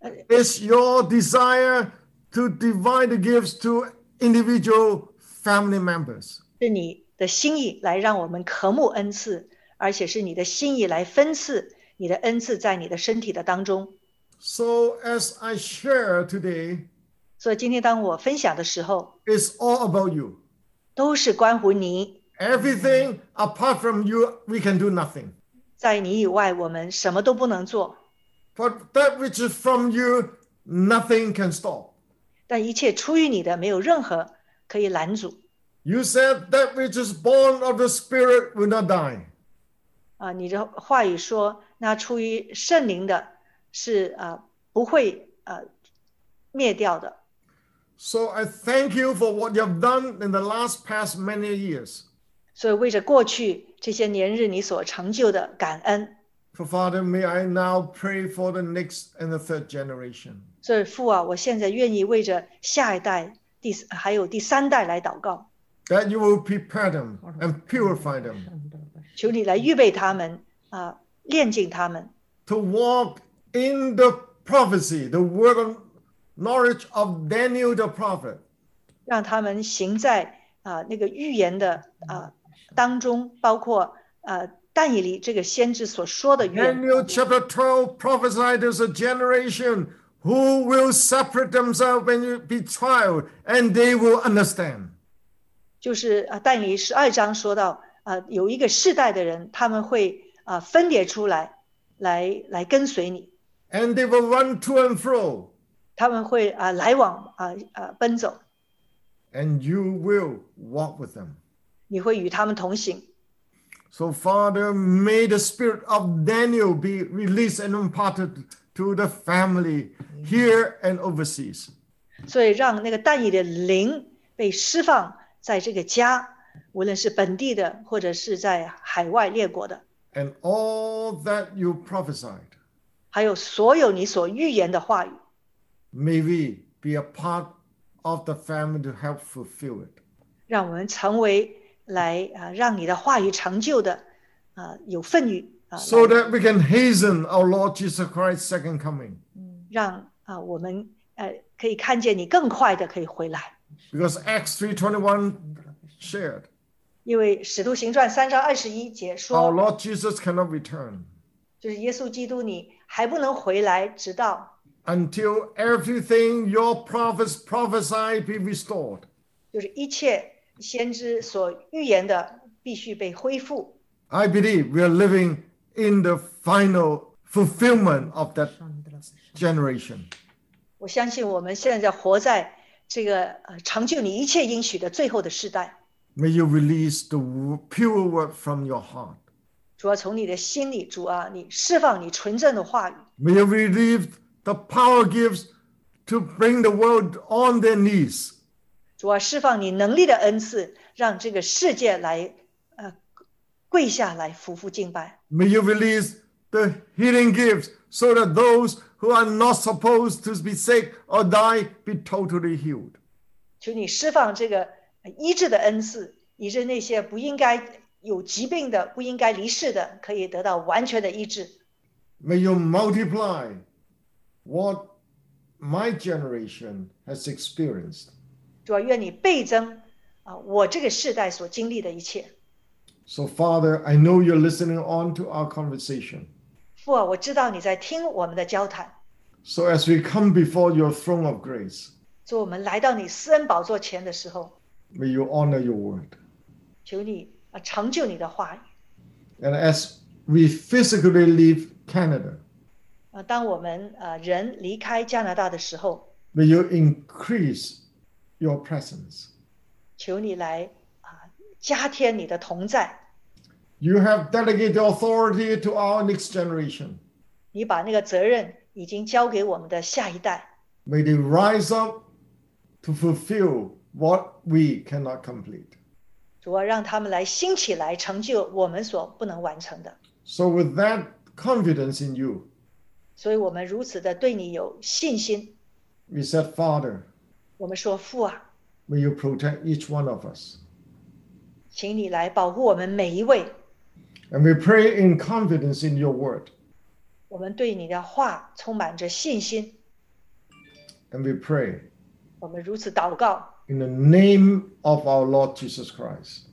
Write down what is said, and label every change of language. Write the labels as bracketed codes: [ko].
[en] It's your desire to divide the gifts to individual family members. [zh] 是你的心意来让我们渴慕恩赐，而且是你的心意来分赐你的恩赐在你的身体的当中。 [en] So as I share today, [zh] 所以今天当我分享的时候， [en] it's all about you. [zh] 都是关乎你。 [en] Everything apart from you, we can do nothing. [zh] 在你以外，我们什么都不能做。 [en] But that which is from you, nothing can stop. [zh] 但一切出于你的，没有任何可以拦阻。 [en] You said that which is born of the Spirit will not die. [zh] 你的话语说，那出于圣灵的是不会灭掉的。 [en] So I thank you for what you have done in the last past many years. [zh] 所以为着过去这些年日你所成就的感恩。 [en] For Father, may I now pray for the next and the third generation. [zh] 所以父啊，我现在愿意为着下一代还有第三代来祷告。 [en] That you will prepare them and purify them. [zh] 求你来预备他们炼净他们。 [en] To walk in the prophecy, the word of knowledge of Daniel the prophet. [zh] 让他们行在那个预言的当中，包括但以理这个先知所说的预言。 [en] Daniel chapter 12 prophesied there's a generation who will separate themselves when you be tried, and they will understand. [zh] 就是但以理十二章说到有一个世代的人，他们会分别出来，来跟随你。 [en] And they will run to and fro. [zh] 他们会来往奔走。 [en] And you will walk with them. [zh] 你会与他们同行。 [en] So Father, may the spirit of Daniel be released and imparted to the family here and overseas. [zh] 所以让那个但以的灵被释放在这个家，无论是本地的或者是在海外列国的。 [en] And all that you prophesied. [zh] 还有所有你所预言的话语。 [en] May we be a part of the family to help fulfill it. [zh] 让我们成为来让你的话语成就的有份语。 [en] So that we can hasten our Lord Jesus Christ's second coming. [zh] 让我们可以看见你更快的可以回来。 [en] Because Acts 3:21 shared. [zh] 因为《使徒行传》三章二十一节说， [en] Our Lord Jesus cannot return. [zh] 就是耶稣基督你还不能回来，直到 [en] Until everything your prophets prophesy be restored. [zh] 就是一切先知所预言的必须被恢复。 [en] I believe we are living in the final fulfillment of that generation. [zh] 我相信我们现在活在这个成就你一切应许的最后的世代。 [en] May you release the pure word from your heart. [zh] 主啊，从你的心里，主啊，你释放你纯正的话语。 [en] May you release the power gifts to bring the world on their knees. [zh] 主啊，释放你能力的恩赐，让这个世界来跪下来俯伏敬拜。 [en] May you release the healing gifts so that those who are not supposed to be sick or die be totally healed. [zh] 求你释放这个医治的恩赐，以致那些不应该有疾病的、不应该离世的，可以得到完全的医治。 [en] May you multiply what my generation has experienced. [zh] 主啊，愿你倍增我这个世代所经历的一切。 [en] So Father, I know you're listening on to our conversation. [zh] 父啊，我知道你在听我们的交谈。 [en] So as we come before your throne of grace, [zh] 做我们来到你施恩宝座前的时候。 [en] May you honor your word. [zh] 求你成就你的话语。 [en] And as we physically leave Canada, [zh] 当我们人离开加拿大的时候， [en] May you increase your presence. [zh] 求你来加添你的同在。 [en] You have delegated authority to our next generation. [zh] 你把那个责任已经交给我们的下一代。 [en] May they rise up to fulfill what we cannot complete. [zh] 主啊，让他们来兴起来成就我们所不能完成的。 [en] So with that confidence in you, [zh] 所以我们如此的对你有信心。 [en] We said, Father, [zh] 我们说父啊， [en] May you protect each one of us. [zh] 请你来保护我们每一位。 [en] And we pray in confidence in your word. [zh] 我们对你的话充满着信心。 [en] And we pray. [zh] 我们如此祷告, [en] in the name of our Lord Jesus Christ.